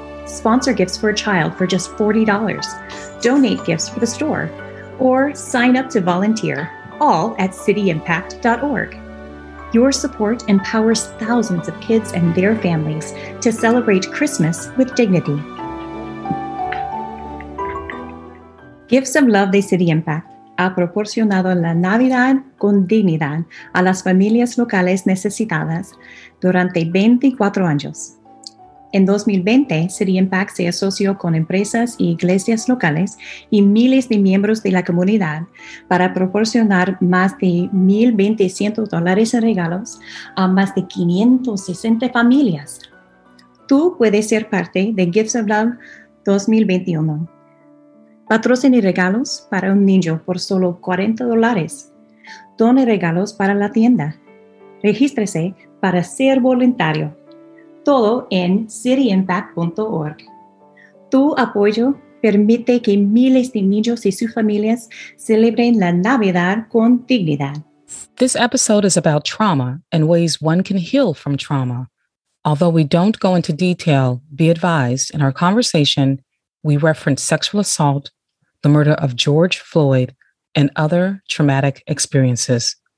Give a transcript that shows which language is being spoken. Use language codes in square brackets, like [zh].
[en] Sponsor gifts for a child for just $40. Donate gifts for the store. Or sign up to volunteer, all at cityimpact.org. Your support empowers thousands of kids and their families to celebrate Christmas with dignity. [es] Gifts of Love de City Impact ha proporcionado la Navidad con dignidad a las familias locales necesitadas durante 24 años. En 2020, City Impact se asoció con empresas y iglesias locales y miles de miembros de la comunidad para proporcionar más de $1,200 en regalos a más de 560 familias. Tú puedes ser parte de Gifts of Love 2021. Patrocine regalos para un niño por solo $40. Done regalos para la tienda. Regístrese para ser voluntario. Todo en cityimpact.org. Tu apoyo permite que miles de niños y sus familias celebren la Navidad con dignidad. [en] This episode is about trauma and ways one can heal from trauma. Although we don't go into detail, be advised, in our conversation, we reference sexual assault, the murder of George Floyd, and other traumatic experiences.